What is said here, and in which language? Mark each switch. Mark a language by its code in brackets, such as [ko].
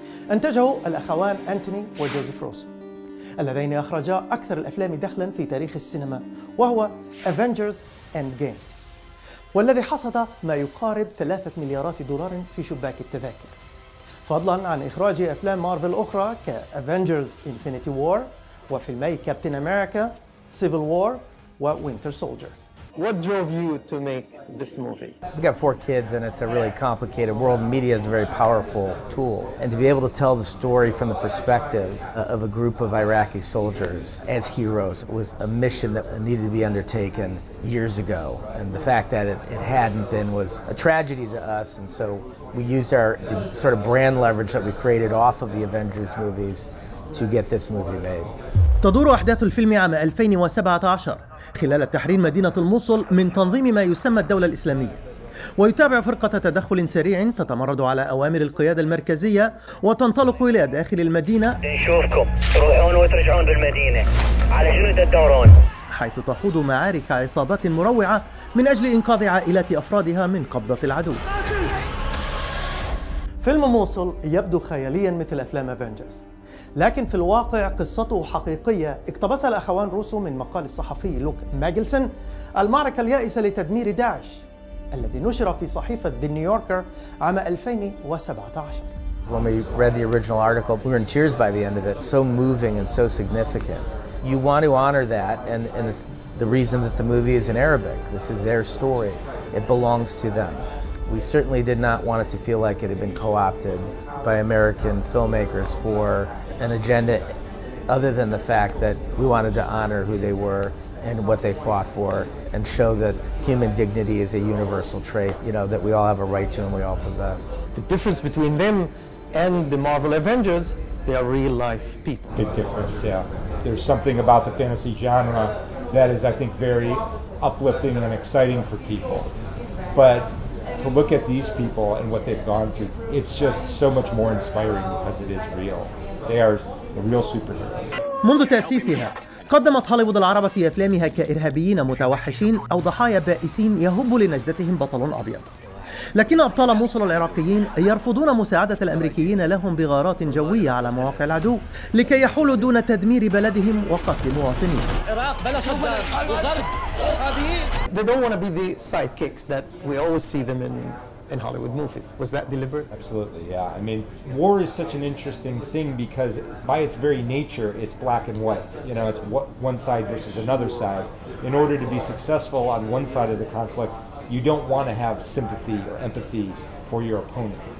[ar] أنتجه الأخوان أنتوني وجوزيف روسو، اللذين أخرجا أكثر الأفلام دخلاً في تاريخ السينما، وهو Avengers Endgame، والذي حصد ما يقارب 3 مليارات دولار في شباك التذاكر، فضلاً عن إخراج أفلام مارفل أخرى كـ Avengers Infinity War وفيلمي كابتن أمريكا Civil War و Winter Soldier. [en] What drove you to make this movie? We've got 4 kids and it's a really complicated world. Media is a very powerful tool. And to be able to tell the story from the perspective of a group of Iraqi soldiers as heroes was a mission that needed to be undertaken years ago. And the fact that it hadn't been was a tragedy to us. And so we used the sort of brand leverage that we created off of the Avengers movies to get this movie made. [ar] تدور أحداث الفيلم عام 2017 خلال تحرير مدينة الموصل من تنظيم ما يسمى الدولة الإسلامية، ويتابع فرقة تدخل سريع تتمرد على أوامر القيادة المركزية وتنطلق إلى داخل المدينة. نشوفكم تروحون وترجعون بالمدينة على شنو تدورون، حيث تخوض معارك عصابات مروعة من أجل إنقاذ عائلات أفرادها من قبضة العدو. فيلم موصل يبدو خياليا مثل أفلام أفنجرز، لكن في الواقع قصته حقيقية. اقتبس الأخوان روسو من مقال الصحفي لوك ماجلسون المعركة اليائسة لتدمير داعش، الذي نشر في صحيفة The New Yorker عام 2017. [en] When we read the original article, we were in tears by the end of it. So moving and so significant. You want to honor that, and it's the reason that the movie is in Arabic. This is their story. It belongs to them. We certainly did not want it to feel like it had been co-opted by American filmmakers for an agenda other than the fact that we wanted to honor who they were and what they fought for and show that human dignity is a universal trait, you know, that we all have a right to and we all possess. The difference between them and the Marvel Avengers, they are real life people. Big difference, yeah. There's something about the fantasy genre that is, I think, very uplifting and exciting for people. But to look at these people and what they've gone through, it's just so much more inspiring because it is real. They are the real superheroes. [ar] منذ تأسيسها قدمت هوليوود العرب في أفلامها كإرهابيين متوحشين أو ضحايا بائسين يهب لنجدتهم بطل أبيض، لكن أبطال موصل العراقيين يرفضون مساعدة الأمريكيين لهم بغارات جوية على مواقع العدو لكي يحولوا دون تدمير بلدهم وقتل مواطنيه. العراق بلا صدام وغرب إرهابيين. [en] They don't want to be the sidekicks that we always see them in Hollywood movies. Was that deliberate? Absolutely, yeah. I mean, war is such an interesting thing because by its very nature, it's black and white. You know, it's one side versus another side. In order to be successful on one side of the conflict, you don't want to have sympathy or empathy for your opponent.